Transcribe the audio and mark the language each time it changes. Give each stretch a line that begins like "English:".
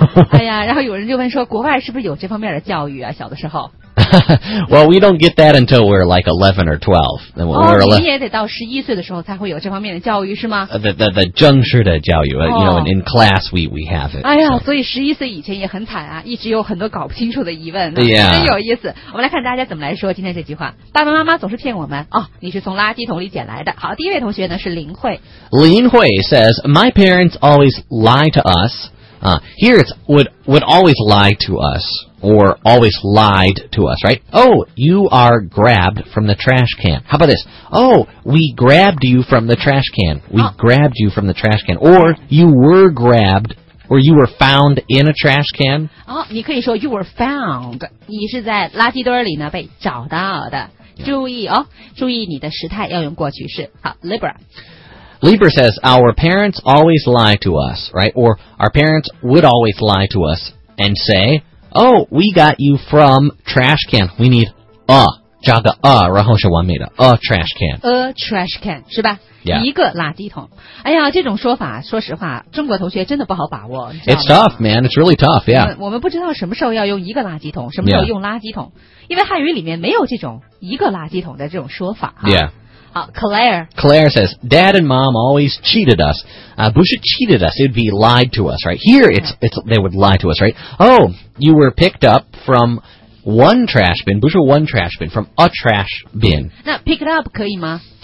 Chinese: 哎呀，然后有人就问说国外是不是有这方面的教育啊，小的时候
English: Well, we don't get that until we're like 11 or 12. Then we're 11.
Chinese: 你也得到11岁的时候才会有这方面的教育是吗？
English: The
Chinese: 正式的教育、
English: you know, in class we have it.
Chinese: 哎呀，所以11岁以前也很惨啊，一直有很多搞不清楚的疑问。对呀，真有意思。我们来看大家怎么来说今天这句话。爸爸妈妈总是骗我们，哦，你是从垃圾桶里捡来的。好，第一位同学呢是林慧。
English: 林慧 says, My parents always lie to us. Here it's would always lie to us. Or always lied to us, right? Oh, you are grabbed from the trash can. How about this? Oh, we grabbed you from the trash can. Grabbed you from the trash can. Or you were grabbed, or you were found in a trash can. Oh,
Chinese: 你可以说
English: you were found.
Chinese: 你是在垃圾堆里呢被找到的。注意哦，注意你的时态要用过去式。好 ,Libra.
English: Libra says, our parents always lie to us, right? Or our parents would always lie to us and say... Oh, we got you from trash can. We need a,
Chinese: 加个
English: a,
Chinese: 然后是完美的
English: a trash can. A trash can,
Chinese: 是吧、
English: yeah.
Chinese: 一个垃圾桶。哎呀，这种说法，说实话，中国同学真的不好把握。
English: It's tough, man. It's really tough, yeah.
Chinese: 我们不知道什么时候要用一个垃圾桶，什么时候用垃圾桶、
English: yeah.
Chinese: 因为汉语里面没有这种一个垃圾桶的这种说法。
English: Yeah.
Chinese: 好 Claire.
English: Claire says, Dad and Mom always cheated us. Bush cheated us. It'd be lied to us, right? Here, it's, they would lie to us, right? Oh, you were picked up from one trash bin. Bush, one trash bin. From a trash bin.
Chinese: 那
English: pick it up
Chinese: 可以吗?